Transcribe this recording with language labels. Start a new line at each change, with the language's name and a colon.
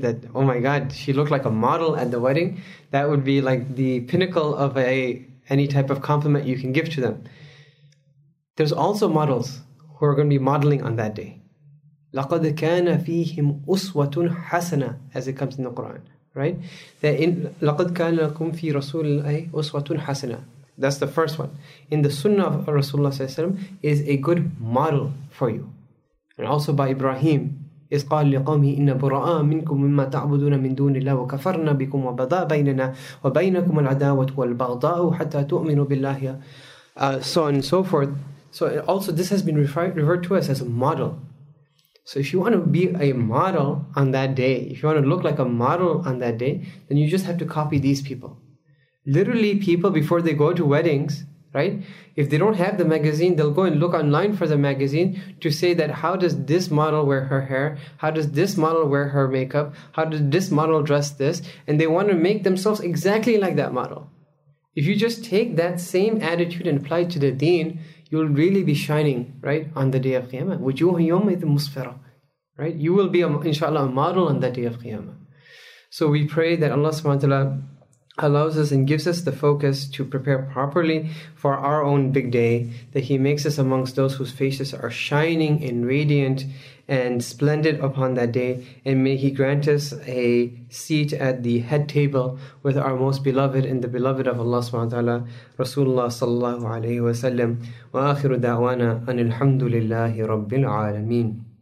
English: That, oh my God, she looked like a model at the wedding. That would be like the pinnacle of any type of compliment you can give to them. There's also models who are going to be modeling on that day.
Arabic: لَقَدْ كَانَ فِيهِمْ أُسْوَةٌ حَسَنَةً,
English: as it comes in the Quran, right? That in
Arabic: لَقَدْ كَانَ لَكُمْ فِي رَسُولِ اللَّهِ أُسْوَةٌ حَسَنَةً.
English: That's the first one. In the Sunnah of Rasulullah sallallahu alaihi wasallam is a good model for you. And also by Ibrahim,
Arabic: إِذْ قَالَ لِقَوْمِهِ إِنَّ بُرَآءَ مِنْكُمْ مِمَّا تَعْبُدُونَ مِنْ دُونِ اللَّهِ وَكَفَرْنَا بِكُمْ وَبَدَا بَيْنَنَا وَبَيْنَكُمُ الْعَدَاوَةُ وَالْبَغْضَاءُ حَتَّى تُؤْمِنُوا بِاللَّهِ,
English: so on and so forth. So also this has been referred to us as a model. So if you want to be a model on that day, if you want to look like a model on that day, then you just have to copy these people. Literally, people before they go to weddings, right? If they don't have the magazine, they'll go and look online for the magazine to say that how does this model wear her hair? How does this model wear her makeup? How does this model dress this? And they want to make themselves exactly like that model. If you just take that same attitude and apply it to the deen, you'll really be shining, right, on the day of Qiyamah.
Arabic: وَجُوهٌ يَوْمَئِذٍ مُسْفِرَةٌ, right?
English: You will be, inshallah, a model on that day of Qiyamah. So we pray that Allah subhanahu wa ta'ala allows us and gives us the focus to prepare properly for our own big day, that He makes us amongst those whose faces are shining and radiant and splendid upon that day, and may He grant us a seat at the head table with our most beloved and the beloved of Allah subhanahu wa ta'ala, Rasulullah sallallahu alayhi wa sallam.
Arabic: Wa akhiru da'wana anil hamdulillahi rabbil alameen.